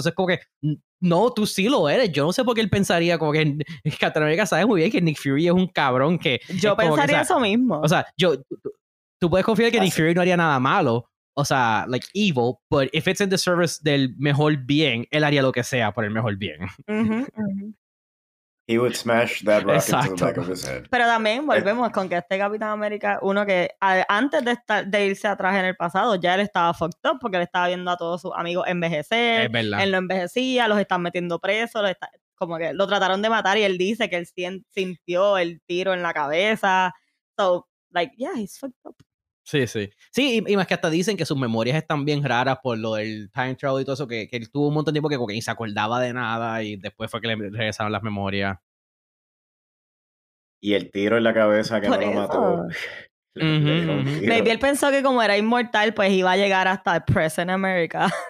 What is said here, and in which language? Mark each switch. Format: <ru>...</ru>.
<es>Entonces, como que, no, tú sí lo eres. Yo no sé por qué él pensaría como que Captain America sabe muy bien que Nick Fury es un cabrón que. Yo pensaría que, eso mismo. O sea, tú puedes confiar que Nick Fury no haría nada malo. O sea,</es> <en>like, evil, but if it's in the service</en> <es>del mejor bien, él haría lo que sea por el mejor bien.</es> <en>He would smash that rock into the back of his head.</en> <es>Pero también volvemos con que este Capitán América, uno que antes de irse atrás en el pasado, ya él estaba fucked up porque él estaba viendo a todos sus amigos envejecer. Es verdad. Él no envejecía, los están metiendo presos, como que lo trataron de matar y él dice que él sintió el tiro en la cabeza.</es> <en>So, like, yeah, he's fucked up.</en> <es>Sí, sí. Sí, y más que hasta dicen que sus memorias están bien raras por lo del time travel y todo eso, que él tuvo un montón de tiempo que ni se acordaba de nada y después fue que le regresaron las memorias. Y el tiro en la cabeza que por no eso lo mató. Maybe él pensó que como era inmortal, pues iba a llegar hasta el present America.</es>